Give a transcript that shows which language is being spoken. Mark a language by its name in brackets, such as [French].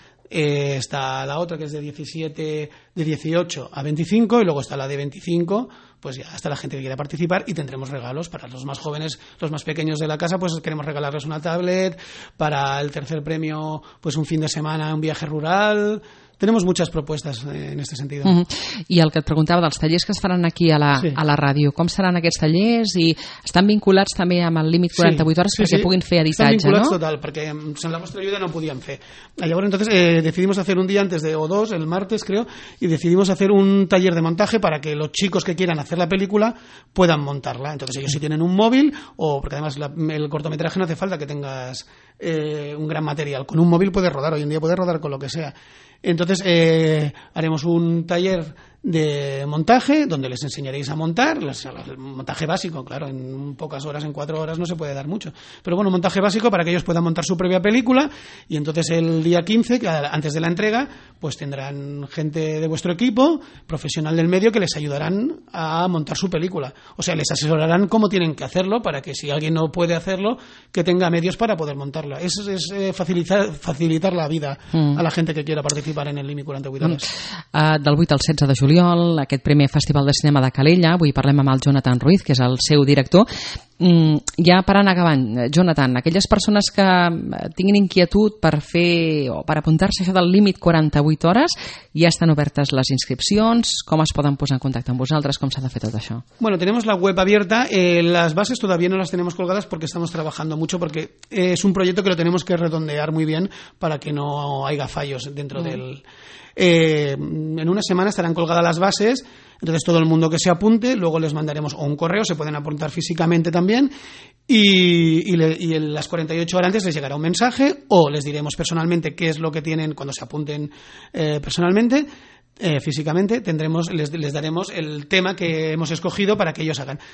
[Spanish] Está la otra, que es de 17, de 18 a 25, y luego está la de 25, pues ya está la gente que quiera participar, y tendremos regalos para los más jóvenes, los más pequeños de la casa, pues queremos regalarles una tablet, para el tercer premio, pues un fin de semana, un viaje rural. Tenemos muchas propuestas en este sentido. [Catalan] Uh-huh. I el que et preguntava dels tallers que es faran aquí a la, sí, a la ràdio, com seran aquests tallers? I estan vinculats també amb el límit 48 hores perquè puguin fer editatge, no? Estan vinculats total, perquè sense la vostra ajuda no podíem fer. [Spanish] Llavors, entonces, decidimos hacer un día antes de, o dos, el martes, creo, y decidimos hacer un taller de montaje para que los chicos que quieran hacer la película puedan montarla. Entonces, ellos si tienen un móvil, o porque además la, el cortometraje no hace falta que tengas un gran material. Con un móvil puedes rodar, hoy en día puedes rodar con lo que sea. Entonces haremos un taller de montaje donde les enseñaréis a montar, el montaje básico, claro, en pocas horas, en cuatro horas no se puede dar mucho, pero bueno, montaje básico para que ellos puedan montar su propia película, y entonces el día 15, antes de la entrega, pues tendrán gente de vuestro equipo, profesional del medio, que les ayudarán a montar su película, o sea, les asesorarán cómo tienen que hacerlo para que si alguien no puede hacerlo, que tenga medios para poder montarla. Eso es facilitar la vida a la gente que quiera participar en el Límit 48 Hores. [Catalan] Del 8 al 16 de juliol, aquest primer Festival de Cinema de Calella, avui parlem amb el Jonathan Ruiz, que és el seu director. Ja per anar acabant, Jonathan, aquelles persones que tinguin inquietud per fer o per apuntar-se a això del límit 48 hores, ja estan obertes les inscripcions, com es poden posar en contacte amb vosaltres, com s'ha de fer tot això? [Spanish] Bueno, tenemos la web abierta, las bases todavía no las tenemos colgadas porque estamos trabajando mucho, porque es un proyecto que lo tenemos que redondear muy bien para que no haya fallos dentro del... en una semana estarán colgadas las bases, entonces todo el mundo que se apunte, luego les mandaremos un correo, se pueden apuntar físicamente también, y en las 48 horas antes les llegará un mensaje, o les diremos personalmente qué es lo que tienen cuando se apunten personalmente, físicamente, les daremos el tema que hemos escogido para que ellos hagan.